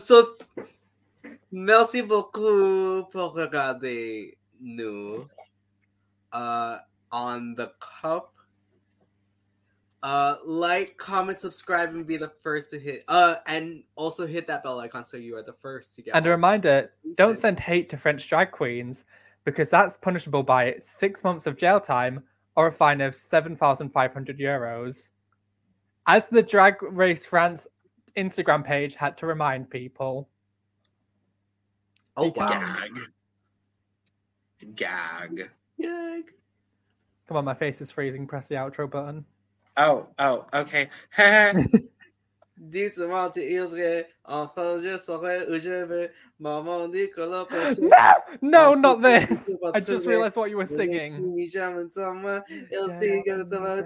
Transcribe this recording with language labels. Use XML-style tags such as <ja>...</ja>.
<fr>So, merci beaucoup pour regarder nous.</fr> <en>On the cup. Like, comment, subscribe, and be the first to hit. And also hit that bell icon so you are the first to get. And a reminder, don't send hate to French drag queens, because that's punishable by 6 months of jail time or a fine of 7,500 euros. As the Drag Race France Instagram page had to remind people. Oh, wow. Gag. Gag. Gag. Come on, my face is freezing. Press the outro button. Oh, okay.</en> <fr>Dites-moi, tu es vrai. Enfin, je saurai où je vais. Maman dit que la prochaine.</fr> <en>No, not this. I just realized what you were singing.</en>